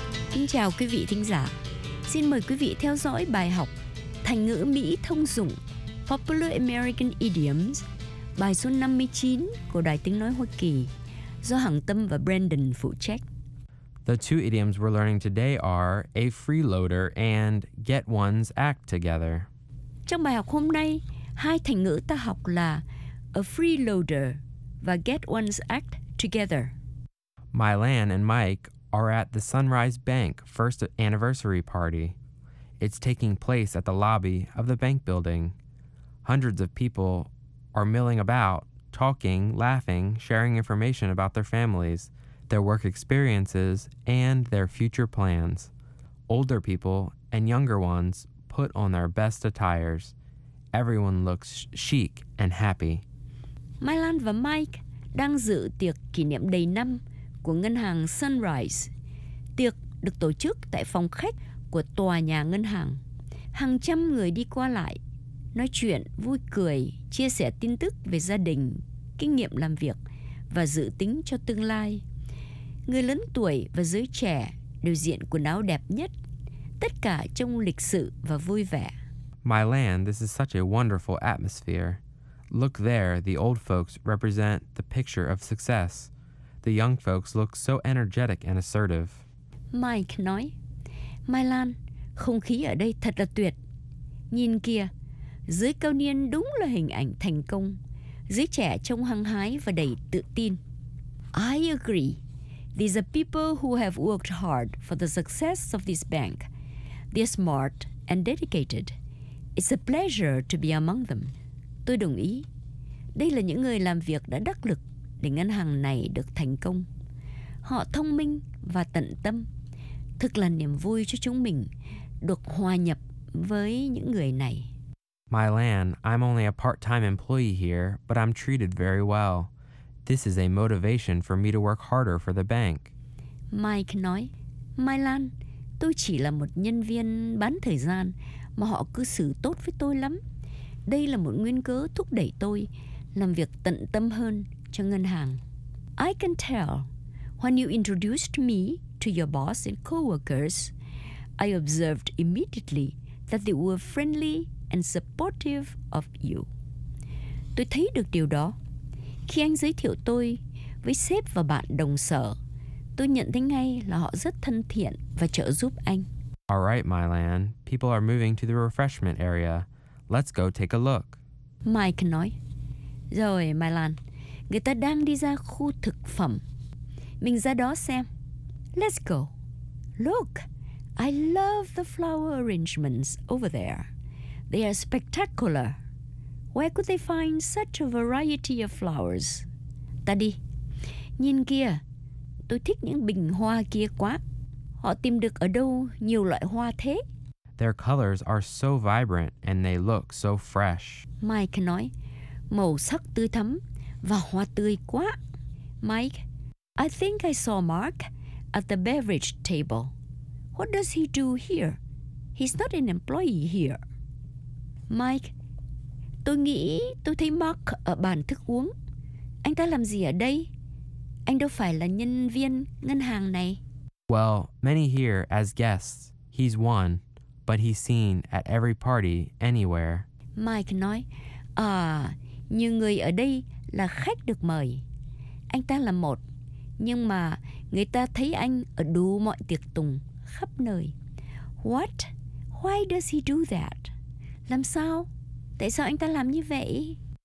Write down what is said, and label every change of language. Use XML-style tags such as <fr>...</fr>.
<vi>Xin chào quý vị thính giả. Xin mời quý vị theo dõi bài học thành ngữ Mỹ thông dụng Popular American Idioms, bài số 59 của Đài Tiếng Nói Hoa Kỳ, do Hằng Tâm và Brandon phụ trách.</vi> <en>The two idioms we're learning today are a freeloader and get one's act together.</en> <vi>Trong bài học hôm nay, hai thành ngữ ta học là a freeloader và</vi> <en>get one's act together. Mylan and Mike are at the Sunrise Bank first anniversary party. It's taking place at the lobby of the bank building. Hundreds of people are milling about, talking, laughing, sharing information about their families, their work experiences, and their future plans. Older people and younger ones put on their best attires. Everyone looks chic and happy.</en> <vi>Mai Lan và Mike đang dự tiệc kỷ niệm đầy năm của ngân hàng Sunrise. Tiệc được tổ chức tại phòng khách của tòa nhà ngân hàng. Hàng trăm người đi qua lại, nói chuyện, vui cười, chia sẻ tin tức về gia đình, kinh nghiệm làm việc và dự tính cho tương lai. Người lớn tuổi và giới trẻ đều diện quần áo đẹp nhất, tất cả trông lịch sự và vui vẻ.</vi> <en>My land, this is such a wonderful atmosphere. Look there, the old folks represent the picture of success. The young folks look so energetic and assertive.</en> <vi>Mike nói, Mai Lan, không khí ở đây thật là tuyệt. Nhìn kìa, giới cao niên đúng là hình ảnh thành công. Giới trẻ trông hăng hái và đầy tự tin.</vi> <en>I agree. These are people who have worked hard for the success of this bank. They're smart and dedicated. It's a pleasure to be among them.</en> <vi>Tôi đồng ý. Đây là những người làm việc đã đắc lực để ngân hàng này được thành công. Họ thông minh và tận tâm. Thực là niềm vui cho chúng mình được hòa nhập với những người này.</vi> <en>My Lan, I'm only a part-time employee here, but I'm treated very well. This is a motivation for me to work harder for the bank.</en> <vi>Mike nói, Mai Lan, tôi chỉ là một nhân viên bán thời gian mà họ cư xử tốt với tôi lắm. Đây là một nguyên cớ thúc đẩy tôi làm việc tận tâm hơn cho ngân hàng.</vi> <en>I can tell. When you introduced me to your boss and co-workers, I observed immediately that they were friendly and supportive of you.</en> <vi>Tôi thấy được điều đó. Khi anh giới thiệu tôi với sếp và bạn đồng sở, tôi nhận thấy ngay là họ rất thân thiện và trợ giúp anh.</vi> <en>All right, My Lan. People are moving to the refreshment area. Let's go take a look.</en> <vi>Mike nói. Rồi, My Lan. Người ta đang đi ra khu thực phẩm. Mình ra đó xem.</vi> <en>Let's go. Look, I love the flower arrangements over there. They are spectacular. Where could they find such a variety of flowers?</en> <vi>Ta đi. Nhìn kìa. Tôi thích những bình hoa kia quá. Họ tìm được ở đâu nhiều loại hoa thế?</vi> <en>Their colors are so vibrant and they look so fresh.</en> <vi>Mike nói. Màu sắc tươi thắm và hoa tươi quá.</vi> <en>Mike, I think I saw Mark at the beverage table. What does he do here? He's not an employee here.</en> <vi>Mike, tôi nghĩ tôi thấy Mark ở bàn thức uống. Anh ta làm gì ở đây? Anh đâu phải là nhân viên ngân hàng này.</vi> <en>Well, many here as guests. He's one, but he's seen at every party anywhere.</en> <vi>Mike nói, à, nhiều người ở đây là khách được mời. Anh ta là một, nhưng mà người ta thấy anh ở đủ mọi tiệc tùng khắp nơi.</vi> <en>What? Why does he do that?</en> <vi>Làm sao? Tại sao anh ta làm như vậy?</vi>